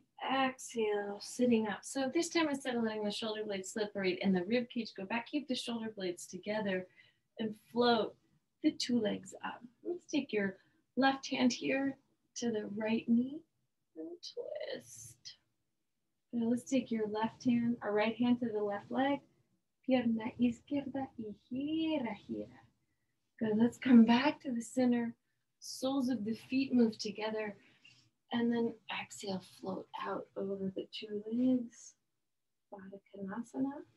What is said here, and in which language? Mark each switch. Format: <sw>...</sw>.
<en>Exhale, sitting up. So this time, instead of letting the shoulder blades slip right in the rib cage, go back, keep the shoulder blades together and float the two legs up. Let's take your left hand here to the right knee and twist. Now let's take your left hand, our right hand to the left leg.</en> <es>Pierna izquierda y gira, gira.</es> <en>Good, let's come back to the center. Soles of the feet move together. And then exhale, float out over the two legs. Baddha Konasana.</en>